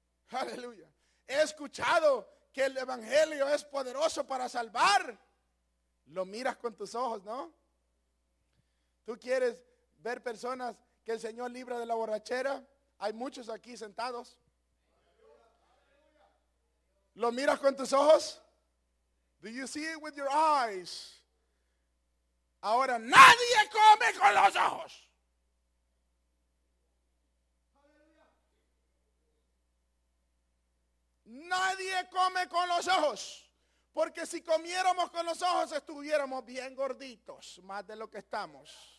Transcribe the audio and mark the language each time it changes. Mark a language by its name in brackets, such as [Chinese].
[Spanish] Aleluya. He escuchado que el evangelio es poderoso para salvar. Lo miras con tus ojos, ¿no? Tú quieres ver personas que el Señor libra de la borrachera. Hay muchos aquí sentados. Lo miras con tus ojos. [English] Do you see it with your eyes? [Spanish] Ahora nadie come con los ojos. Nadie come con los ojos, porque si comiéramos con los ojos estuviéramos bien gorditos, más de lo que estamos.